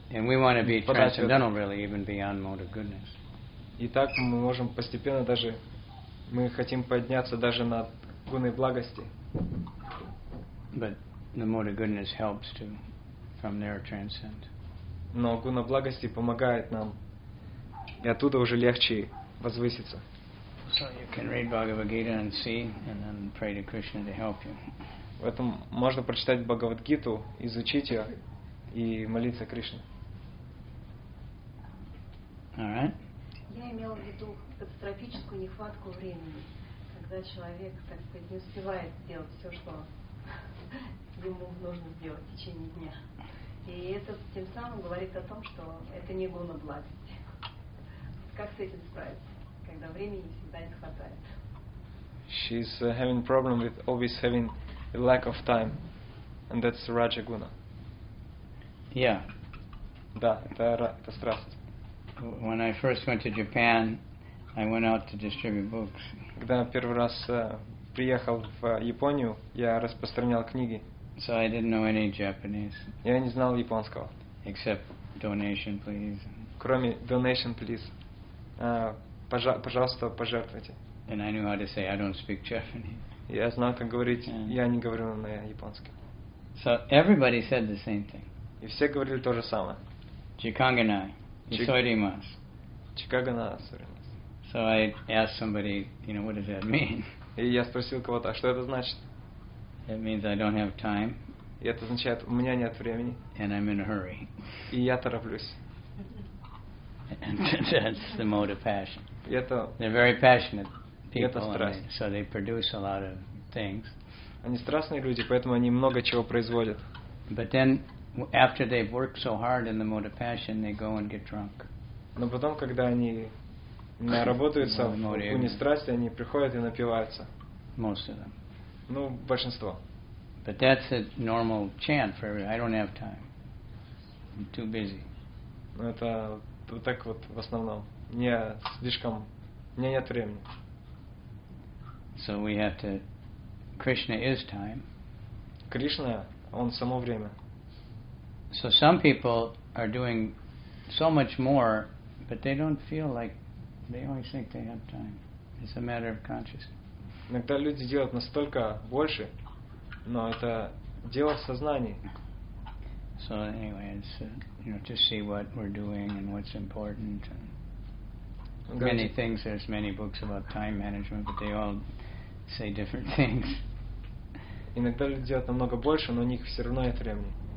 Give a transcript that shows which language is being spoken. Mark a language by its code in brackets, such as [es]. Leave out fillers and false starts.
[en] And we want to be transcendental, really, even beyond mode of goodness. [ru] И так мы можем постепенно даже... Мы хотим подняться даже над гуной благости. [en] But the mode of goodness helps to, from there, transcend. [ru] Но гуна благости помогает нам, и оттуда уже легче возвыситься. [en] So you can read Bhagavad Gita and see, and then pray to Krishna to help you. [ru] В этом можно прочитать Бхагавад-гиту, изучить ее и молиться Кришне. Я имела в виду катастрофическую нехватку времени, когда человек, так сказать, не успевает сделать все, что ему нужно сделать в течение дня. И это тем самым говорит о том, что это не гуна благости. Как с этим справиться, когда времени всегда не хватает? [en] She's having problem with always having a lack of time, and that's Raja Guna. Yeah. [ru] Да, это страсть. [en] When I first went to Japan, I went out to distribute books. [ru] Когда первый раз приехал в Японию, я распространял книги. [en] So I didn't know any Japanese. [ru] Я не знал японского. [en] Except donation, please. [ru] Кроме [en] donation, please. [ru] Пожалуйста, пожертвуйте. [en] And I knew how to say I don't speak Japanese. [ru] Я знал, как говорить, я не говорю на японском. [en] So everybody said the same thing. [ru] И все говорили то же самое. [ja] Чиканганай, исойримас. Чиканганай, исойримас. [en] So I asked somebody, you know, what does that mean? [ru] И я спросил кого-то, а что это значит? [en] It means I don't have time. [ru] И это означает, у меня нет времени. [en] And I'm in a hurry. [ru] И я тороплюсь. [en] And that's the mode of passion. [ru] И это... [en] They're very passionate. People, [ru] это страсть. [en] So they produce a lot of things. [ru] Они страстные люди, поэтому они много чего производят. [en] But then, after they've worked so hard in the mode of passion, they go and get drunk. [ru] Но потом, когда они наработаются в гуне страсти, они приходят и напиваются. [en] Most of them. [ru] Ну, большинство. [en] But that's a normal chant for everybody. I don't have time. I'm too busy. [ru] Ну, это вот так вот в основном. Мне слишком... Мне нет времени. [en] So we have to. Krishna is time. [ru] Krishna, он само время. [en] So some people are doing so much more, but they don't feel like they always think they have time. It's a matter of consciousness. [ru] Иногда люди делают настолько больше, но это дело в сознании. [en] So anyway, it's you know to see what we're doing and what's important. And many things. There's many books about time management, but they all say different things. [ru] Иногда люди делают намного больше, но у них все равно нет времени.